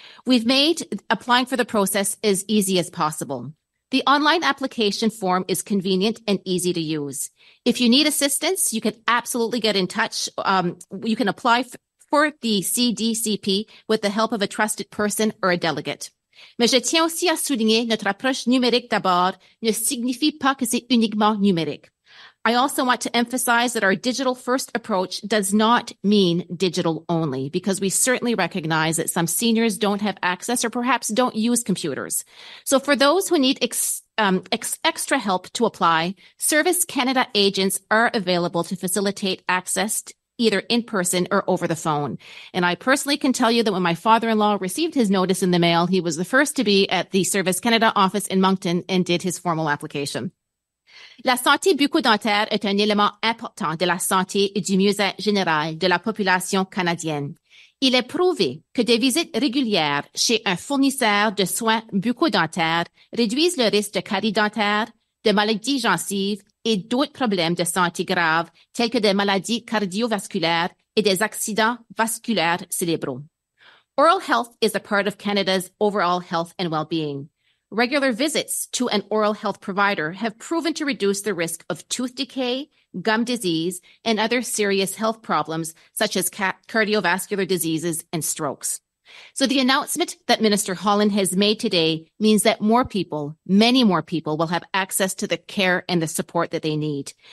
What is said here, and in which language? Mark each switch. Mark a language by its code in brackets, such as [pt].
[en] We've made applying for the process as easy as possible. The online application form is convenient and easy to use. If you need assistance, you can absolutely get in touch. You can apply for the CDCP with the help of a trusted person or a delegate. [fr] Mais je tiens aussi à souligner notre approche numérique d'abord ne signifie pas que c'est uniquement numérique. [en] I also want to emphasize that our digital first approach does not mean digital only, because we certainly recognize that some seniors don't have access or perhaps don't use computers. So for those who need extra help to apply, Service Canada agents are available to facilitate access either in person or over the phone. And I personally can tell you that when my father-in-law received his notice in the mail, he was the first to be at the Service Canada office in Moncton and did his formal application. [fr] La santé bucco-dentaire est un élément important de la santé et du mieux-être général de la population canadienne. Il est prouvé que des visites régulières chez un fournisseur de soins bucco-dentaires réduisent le risque de caries dentaires, de maladies gencives et d'autres problèmes de santé graves tels que des maladies cardiovasculaires et des accidents vasculaires cérébraux. [en] Oral health is a part of Canada's overall health and well-being. Regular visits to an oral health provider have proven to reduce the risk of tooth decay, gum disease, and other serious health problems such as cardiovascular diseases and strokes. So the announcement that Minister Holland has made today means that more people, many more people, will have access to the care and the support that they need.